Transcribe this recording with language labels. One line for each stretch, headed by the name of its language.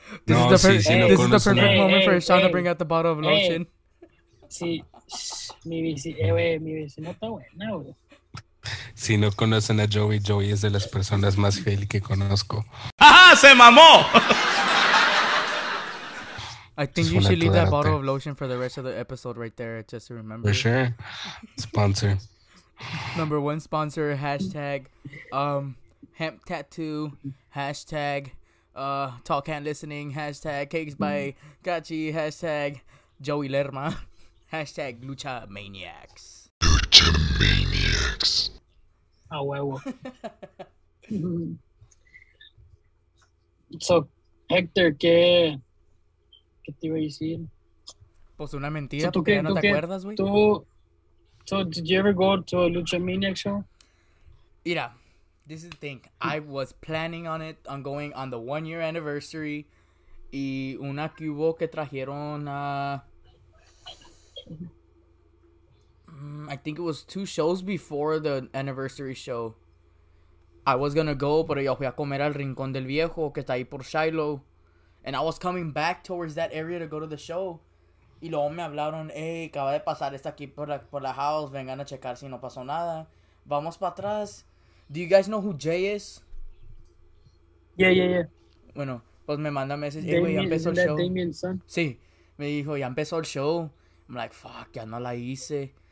English: This is the perfect moment for Sean to bring out the bottle of lotion. Hey.
Spanish: Sí, mi vecina está buena, güey. Si no conocen a Joey, Joey es de las personas más fiel que conozco. ¡Ajá! ¡Se mamó!
English: I think just you should leave that bottle of lotion for the rest of the episode right there, just to remember. For sure. Sponsor. Number one sponsor, hashtag hemp tattoo, hashtag talk and listening, hashtag cakes by Gachi, hashtag Joey Lerma. Hashtag Lucha Maniacs. Lucha Maniacs.
Spanish: Ah, huevo. So, Hector, ¿qué te iba a decir? Pues una mentira, so, porque no te acuerdas, güey.
English: So, did you ever go to a Lucha Maniacs show? Mira, this is the thing. I was planning on it, on going on the 1-year anniversary.
Spanish: Y una que hubo que trajeron a...
English: I think it was 2 shows before the anniversary show. I was gonna go, but
Spanish: yo fui a comer al Rincón del Viejo, que está ahí por Shiloh.
English: And I was coming back towards that area to go to the show.
Spanish: Y luego me hablaron, hey, acaba de pasar esta aquí por la house, vengan a checar si no pasó nada. Vamos para atrás.
English: Do you guys know who Jay is? Yeah.
Spanish: Bueno, Pues me manda meses, hey, güey, ya empezó el show. Sí, me dijo, ya empezó el show.
English: I'm like, fuck,
Spanish: ya no la hice.